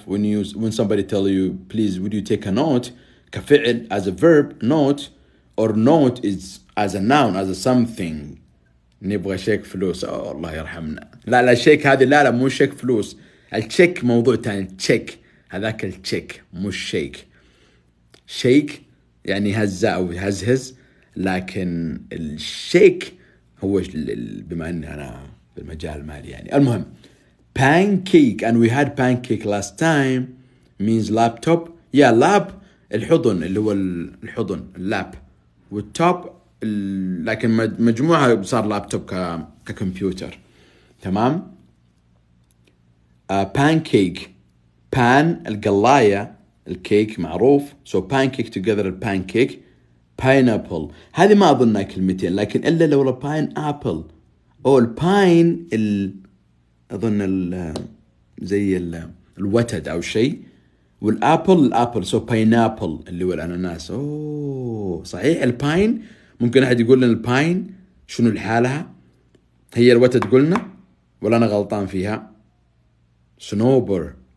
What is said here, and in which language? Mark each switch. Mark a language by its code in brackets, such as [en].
[en] When you, when somebody tell you please would you take a note [ar] كفعل [en] as a verb note or note is as a noun as a something. [ar] نبغى شيك فلوس. أوه الله يرحمنا. لا لا شيك هذه لا لا مو شيك فلوس. الشيك موضوع تاني. تشيك هذاك الشيك مو الشيك. شيك يعني هزاء أو هزهز. لكن الشيك هو بما أني أنا في المجال المالي يعني. [en] المهم pancake and we had pancake last time means laptop. [ar] Yeah, lap الحضن اللي هو الحضن lap والtop لكن مجموعة صار laptop ككمبيوتر تمام. Pancake pan القلاية الكيك معروف. [en] So pancake together pancake. [ar] Pineapple هذه ما أظنها كلمتين لكن إلا لو pineapple أو pine ال أظن ال زي ال الوتد أو شيء والآبل الآبل سو باينابل اللي هو الأناناس. أوه صحيح الباين. ممكن أحد يقول لنا الباين شنو الحالها هي الوتد قلنا ولا أنا غلطان فيها. سنوبر.